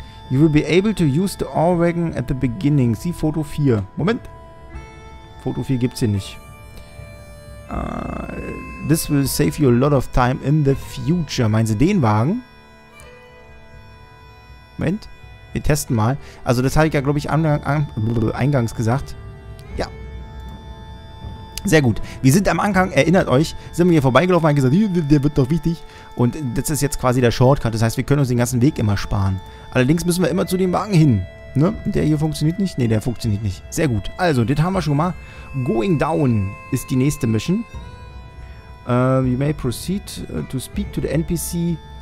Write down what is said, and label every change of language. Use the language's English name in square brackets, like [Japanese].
[English] You will be able to use the ore wagon at the beginning. See Foto 4. [German] Moment. Foto 4 gibt's hier nicht. [English] This will save you a lot of time in the future. [German] Meinen Sie den Wagen? Moment, wir testen mal. Also das habe ich ja, glaube ich, eingangs gesagt. Ja. Sehr gut. Wir sind am Anfang, erinnert euch, sind wir hier vorbeigelaufen und haben gesagt, der wird doch wichtig. Und das ist jetzt quasi der Shortcut. Das heißt, wir können uns den ganzen Weg immer sparen. Allerdings müssen wir immer zu dem Wagen hin. Ne? Der hier funktioniert nicht? Ne, der funktioniert nicht. Sehr gut. Also, das haben wir schon mal. Going down ist die nächste Mission. [English] You may proceed to speak to the NPC.